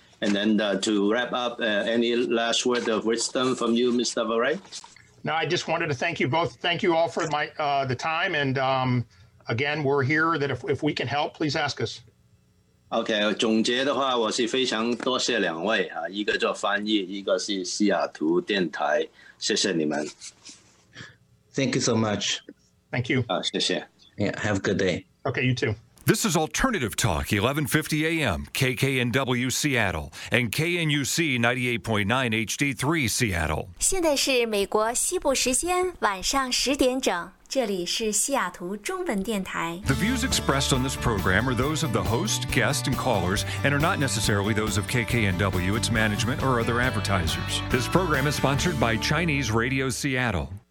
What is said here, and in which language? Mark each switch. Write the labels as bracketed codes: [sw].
[en] And then to wrap up, any last word of wisdom from you, Mr. Wright? No, I just wanted to thank you both. Thank you all for the time. And again, we're here that if we can help, please ask us. [zh] Okay, 总结的话，我是非常多谢两位，一个做翻译，一个是西雅图电台，谢谢你们。 [en] Thank you so much. Thank you. [zh] 谢谢。 [en] Yeah, have a good day. Okay, you too. This is Alternative Talk, 1150 AM, KKNW Seattle, and KNUC 98.9 HD3 Seattle. [zh] 现在是美国西部时间晚上十点整，这里是西雅图中文电台。 [en] The views expressed on this program are those of the host, guest, and callers, and are not necessarily those of KKNW, its management, or other advertisers. This program is sponsored by Chinese Radio Seattle.